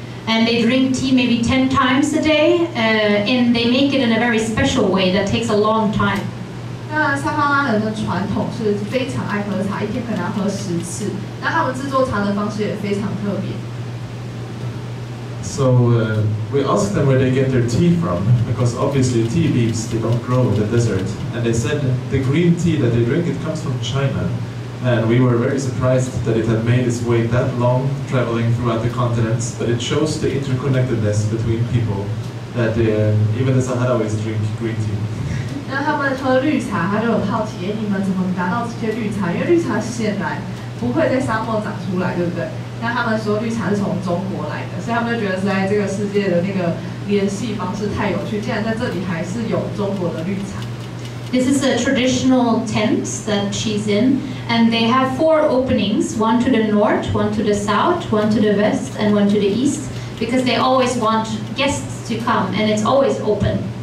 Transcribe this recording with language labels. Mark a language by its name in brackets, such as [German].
[English] And they drink tea maybe 10 times a day, and they make it in a very special way that takes a long time. [Chinese] 那撒哈拉人的传统是非常爱喝茶，一天可能要喝10次。那他们制作茶的方式也非常特别。 [English] So we asked them where they get their tea from, because obviously tea leaves, they don't grow in the desert. And they said the green tea that they drink, it comes from China. And we were very surprised that it had made its way that long, traveling throughout the continents, but it shows the interconnectedness between people that even the Sahrawis drink green tea. [Chinese] 那他们喝绿茶，他就很好奇，哎，你们怎么拿到这些绿茶？因为绿茶显然不会在沙漠长出来，对不对？那他们说绿茶是从中国来的，所以他们就觉得实在这个世界的那个联系方式太有趣，竟然在这里还是有中国的绿茶。 [English] This is a traditional tent that she's in, and they have four openings, one to the north, one to the south, one to the west, and one to the east, because they always want guests to come, and it's always open.